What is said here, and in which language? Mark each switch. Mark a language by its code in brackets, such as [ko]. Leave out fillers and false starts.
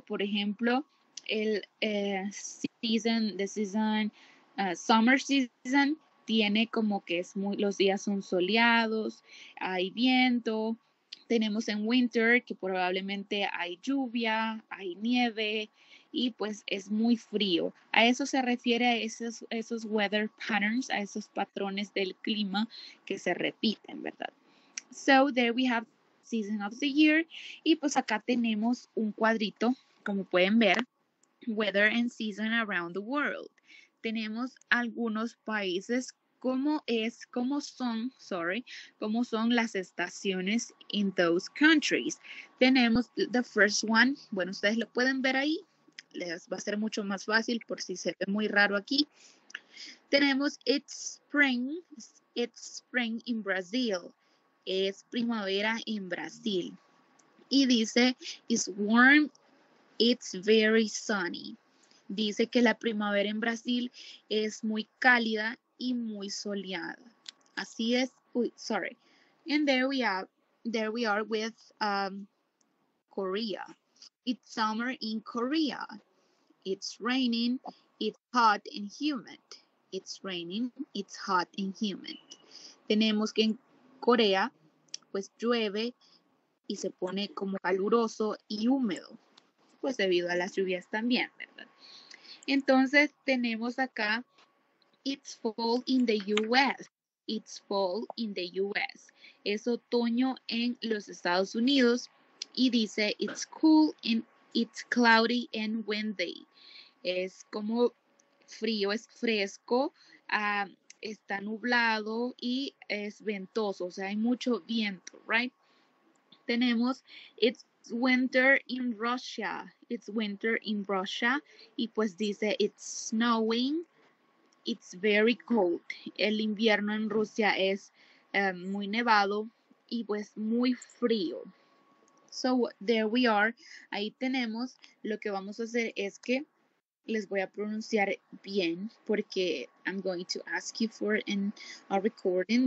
[es] Por ejemplo, el summer season tiene como que es muy, los días son soleados, hay viento. Tenemos en winter que probablemente hay lluvia, hay nieve, y pues es muy frío. A eso se refiere, a esos weather patterns, a esos patrones del clima que se repiten, ¿verdad? [en] So there we have season of the year. [es] Y pues acá tenemos un cuadrito, como pueden ver, [en] weather and season around the world. [es] Tenemos algunos países, cómo son las estaciones [en] in those countries. [es] Tenemos [en] the first one, [es] bueno, ustedes lo pueden ver ahí. Les va a ser mucho más fácil por si se ve muy raro aquí. Tenemos [en] it's spring in Brazil. [es] Es primavera en Brasil. Y dice, [en] it's warm, it's very sunny. [es] Dice que la primavera en Brasil es muy cálida y muy soleada. Así es, [en] And there we are with Korea. It's summer in Korea. It's raining, it's hot and humid. It's raining, it's hot and humid. [es] Tenemos que en Corea, pues llueve y se pone como caluroso y húmedo, pues debido a las lluvias también, ¿verdad? Entonces tenemos acá, [en] it's fall in the U.S. It's fall in the U.S. [es] Es otoño en los Estados Unidos y dice, [en] it's cool and it's cloudy and windy. [es] Es como frío, es fresco, está nublado y es ventoso, o sea, hay mucho viento, right? Tenemos, [en] it's winter in Russia, [es] y pues dice, [en] it's snowing, it's very cold. [es] El invierno en Rusia es muy nevado y pues muy frío. [en] So, there we are, [es] ahí tenemos, lo que vamos a hacer es que les voy a pronunciar bien, porque [en] I'm going to ask you for a recording.